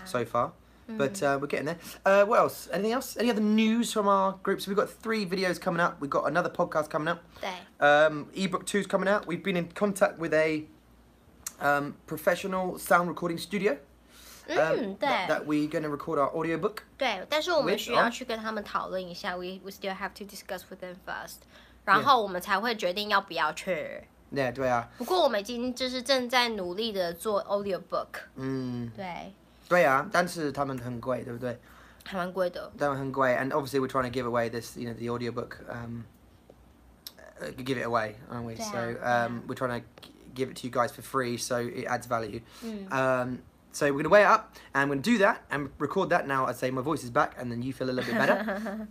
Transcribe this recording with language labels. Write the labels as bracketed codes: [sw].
[en] So far. But we're getting there. What else? Anything else? Any other news from our groups? We've got 3 videos coming up. We've got another podcast coming up. Ebook 2 is coming out. We've been in contact with a professional sound recording studio. [zh] 对 [en] that we're going to record our audiobook. [zh] 对，但是我们需要去跟他们讨论一下。 [en] We still have to discuss with them first. [zh] 然后我们才会决定要不要去。 Yeah, 对啊。不过我们已经就是正在努力的做 audiobook. 对。对啊，但是他们很贵，对不对？还蛮贵的。他们很贵 [en] ，and obviously we're trying to give away this, you know, the audiobook. Give it away, aren't we? [zh] 对啊。 [en] So, we're trying to give it to you guys for free, so it adds value. So we're going to weigh it up, and we're going to do that, and record that now. I'd say my voice is back, and then you feel a little bit better.